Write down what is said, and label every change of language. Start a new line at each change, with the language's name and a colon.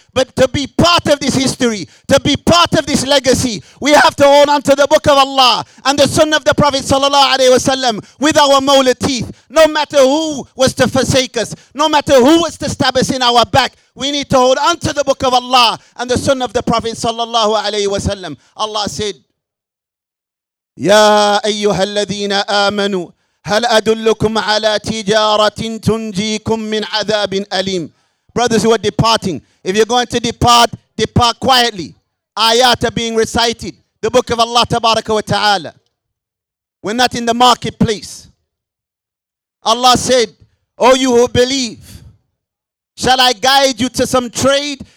English: But to be part of this history, to be part of this legacy, we have to hold on to the Book of Allah and the Sunnah of the Prophet sallallahu alaihi wasallam with our molar teeth. No matter who was to forsake us, no matter who was to stab us in our back, we need to hold on to the Book of Allah and the Sunnah of the Prophet sallallahu alaihi wasallam.
Arabic: Allah said, يا أيها الذين آمنوا هل أدلكم على تجارة تنجيكم من عذاب أليم.
English: Brothers who are departing, if you're going to depart, depart quietly. Ayat are being recited, the Book of Allah tabaraka wa ta'ala. We're not in the marketplace. Allah said, O you who believe, shall I guide you to some trade